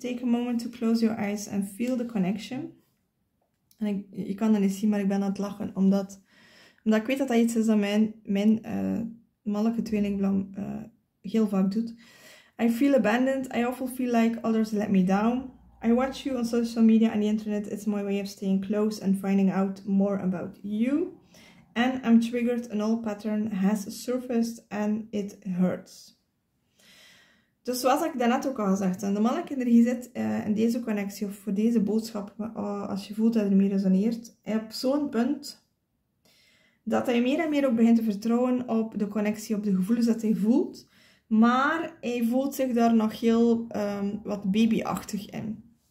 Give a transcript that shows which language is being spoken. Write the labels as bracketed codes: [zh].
[en] Take a moment to close your eyes and feel the connection. [nl] En je kan dat niet zien, maar ik ben aan het lachen. Omdat ik weet dat dat iets is dat mijn mannelijke tweelingblam heel vaak doet. [en] I feel abandoned. I often feel like others let me down. I watch you on social media and the internet. It's my way of staying close and finding out more about you. And I'm triggered. An old pattern has surfaced and it hurts. [nl] Dus zoals ik daarnet ook al gezegd heb, de mannelijke energie zit in deze connectie of voor deze boodschap, als je voelt dat er meer resoneert, op zo'n punt dat hij meer en meer ook begint te vertrouwen op de connectie, op de gevoelens dat hij voelt. Maar hij voelt zich daar nog heel wat babyachtig in.